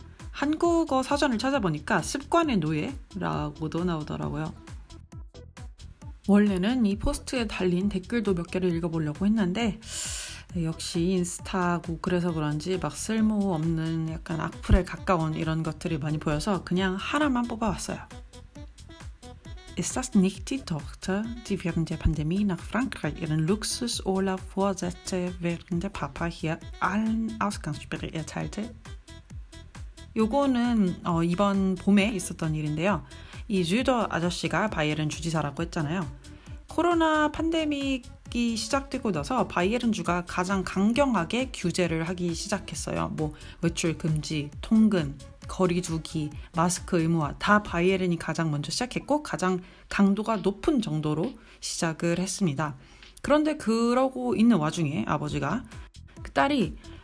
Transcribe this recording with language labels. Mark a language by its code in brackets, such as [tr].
[ko] 한국어 사전을 찾아보니까 습관의 노예라고도 나오더라고요. 원래는 이 포스트에 달린 댓글도 몇 개를 읽어보려고 했는데 역시 인스타고 그래서 그런지 막 쓸모없는 약간 악플에 가까운 이런 것들이 많이 보여서 그냥 하나만 뽑아봤어요. [de] Ist das nicht die Tochter, die während der Pandemie nach Frankreich ihren Luxusurlaub vorsetzte, während der Papa hier allen Ausgangssperre erteilte? [ko] 요거는 이번 봄에 있었던 일인데요. 이 주더 아저씨가 바이에른 주지사라고 했잖아요. 코로나 팬데믹이 시작되고 나서 바이에른 주가 가장 강경하게 규제를 하기 시작했어요. 뭐 외출 금지, 통근. 거리 두기, 마스크 의무화 다 바이에른이 가장 먼저 시작했고 가장 강도가 높은 정도로 시작을 했습니다. 그런데 그러고 있는 와중에 아버지가 그 딸이